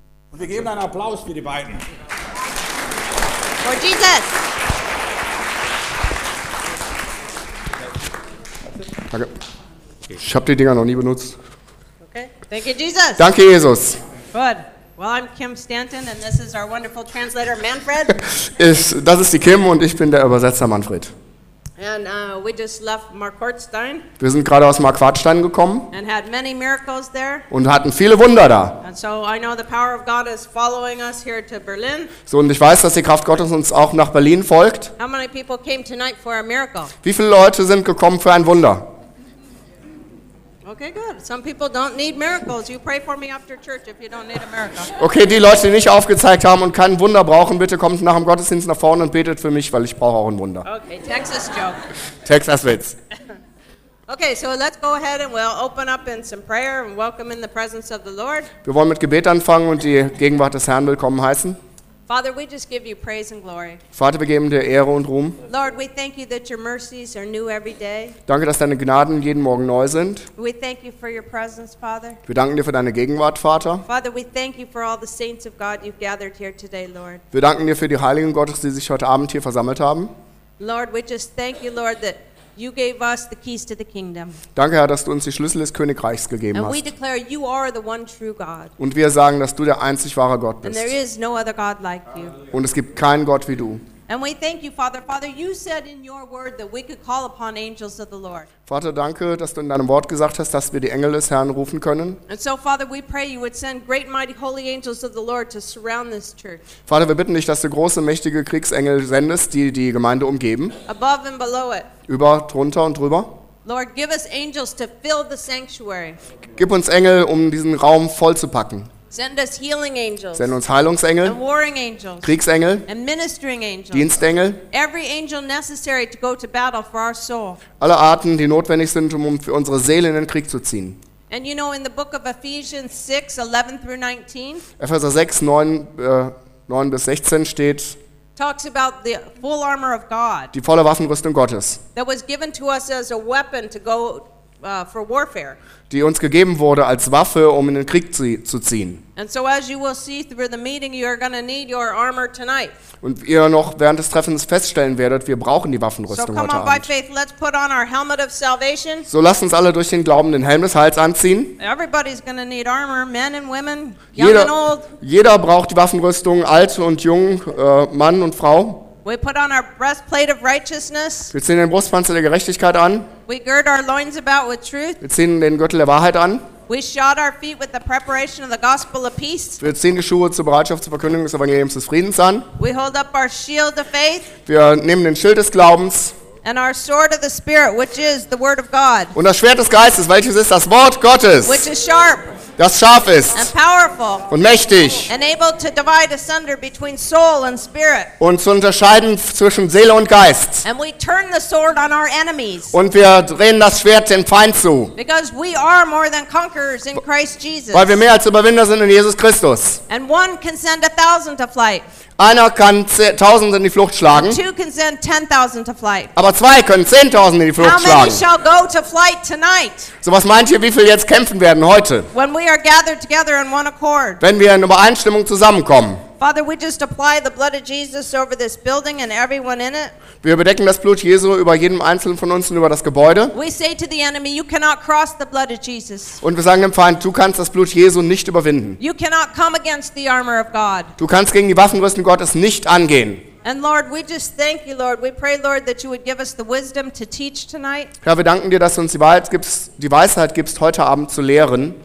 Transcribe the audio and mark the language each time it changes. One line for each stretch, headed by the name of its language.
German: Und wir geben einen Applaus für die beiden.
English: For Jesus.
German: Danke. Ich habe die Dinger noch nie benutzt.
English: Okay. Thank you, Jesus.
German: Danke, Jesus.
English: Good. Well, I'm Kim Stanton and this is our wonderful translator Manfred.
German: Das ist die Kim und ich bin der Übersetzer Manfred.
English: And we just left Mark Hartstein.
German: Wir sind gerade aus Mark Hartstein gekommen.
English: And had many miracles there.
German: Und hatten viele Wunder da.
English: And so I know the power of God is following us here to Berlin.
German: So und ich weiß, dass die Kraft Gottes uns auch nach Berlin folgt.
English: How many people came tonight for a miracle?
German: Wie viele Leute sind gekommen für ein Wunder?
English: Okay, good. Some people don't need miracles. You pray for me after church if you don't need a miracle.
German: Okay, die Leute, die nicht aufgezeigt haben und kein Wunder brauchen, bitte kommt nach dem Gottesdienst nach vorne und betet für mich, weil ich brauche auch ein Wunder.
English: Okay, Texas joke.
German: Texas Witz.
English: Okay, so let's go ahead and we'll open up in some prayer and welcome in the presence of the Lord.
German: Wir wollen mit Gebet anfangen und die Gegenwart des Herrn willkommen heißen.
English: Father, we just give you praise and glory.
German: Vater, wir geben dir Ehre und Ruhm.
English: Lord, we thank you that your mercies are new every day.
German: Danke, dass deine Gnaden jeden Morgen neu sind.
English: We thank you for your presence, Father.
German: Wir danken dir für deine Gegenwart, Vater.
English: Father, we thank you for all the saints of God you've gathered here today, Lord.
German: Wir danken dir für die Heiligen Gottes, die sich heute Abend hier versammelt haben.
English: Lord, we just thank you, Lord, that you gave us the keys to the kingdom.
German: Danke, Herr, dass du uns die Schlüssel des Königreichs gegeben
English: and
German: hast.
English: We declare you are the one true God.
German: Und wir sagen, dass du der einzig wahre Gott bist.
English: And there is no other God like you.
German: Und es gibt keinen Gott wie du.
English: And we thank you, Father. Father, you said in your word that we could call upon angels of the Lord.
German: Vater, danke, dass du in deinem Wort gesagt hast, dass wir die Engel des Herrn rufen können.
English: And so, Father, we pray you would send great, mighty, holy angels of the Lord to surround this church.
German: Vater, wir bitten dich, dass du große, mächtige Kriegsengel sendest, die die Gemeinde umgeben.
English: Above and below it.
German: Über, drunter und drüber.
English: Lord, give us angels to fill the sanctuary.
German: Gib uns Engel, um diesen Raum vollzupacken.
English: Send us healing angels.
German: Send uns Heilungsengel.
English: And warring angels.
German: Kriegsengel.
English: And ministering angels.
German: Dienstengel.
English: Every angel necessary to go to battle for our soul.
German: Alle Arten, die notwendig sind, um für unsere Seele in den Krieg zu ziehen.
English: And you know in the book of Ephesians 6:11-19.
German: Epheser 6, 9 bis 16 steht.
English: Talks about the full armor of God.
German: Die volle Waffenrüstung Gottes.
English: That was given to us as a weapon to go for warfare.
German: Die uns gegeben wurde als Waffe, um in den Krieg zu ziehen.
English: And so as you will see through the meeting, you are going to need your armor tonight.
German: Und ihr noch während des Treffens feststellen werdet, wir brauchen die Waffenrüstung heute Abend.
English: So come on by faith, let's put on our helmet of salvation.
German: So lasst uns alle durch den Glauben den Helm des Heils anziehen.
English: Everybody's going to need armor, men and women, young and old.
German: Jeder braucht die Waffenrüstung, alt und jung, Mann und Frau.
English: We put on our breastplate of righteousness.
German: Wir ziehen den Brustpanzer der Gerechtigkeit an.
English: We gird our loins about with truth.
German: Wir ziehen den Gürtel der Wahrheit an.
English: We shod our feet with the preparation of the gospel of peace.
German: Wir ziehen die Schuhe zur Bereitschaft zur Verkündigung des Evangeliums des Friedens an.
English: We hold up our shield of faith.
German: Wir nehmen den Schild des Glaubens.
English: And our sword of the spirit, which is the word of God.
German: Und das Schwert des Geistes, welches ist das Wort Gottes.
English: Which is sharp.
German: Das scharf ist
English: and powerful,
German: und mächtig
English: and able to divide asunder between soul and spirit.
German: Und zu unterscheiden zwischen Seele und Geist.
English: And we turn the sword on our enemies.
German: Und wir drehen das Schwert dem Feind zu.
English: Because we are more than conquerors in Christ Jesus.
German: Weil wir mehr als Überwinder sind in Jesus Christus.
English: And one can send 1,000 to flight.
German: Einer kann 1,000 in die Flucht schlagen.
English: Two can send 10,000 to flight.
German: Aber zwei können 10,000 in die Flucht
English: how many
German: schlagen.
English: Shall go to flight tonight?
German: So was meint ihr, wie viel jetzt kämpfen werden heute?
English: When we are gathered together in one accord.
German: Wenn wir in Übereinstimmung zusammenkommen.
English: Father, we just apply the blood of Jesus over this building and everyone in it.
German: Wir bedecken das Blut Jesu über jedem einzelnen von uns und über das Gebäude.
English: We say to the enemy, you cannot cross the blood of Jesus.
German: Und wir sagen dem Feind, du kannst das Blut Jesu nicht überwinden.
English: You cannot come against the armor of God.
German: Du kannst gegen die Waffenrüstung Gottes nicht angehen.
English: And Lord, we just thank you, Lord. We pray, Lord, that you would give us the wisdom to teach tonight.
German: Herr, wir danken dir, dass du uns die Weisheit gibst, heute Abend zu lehren.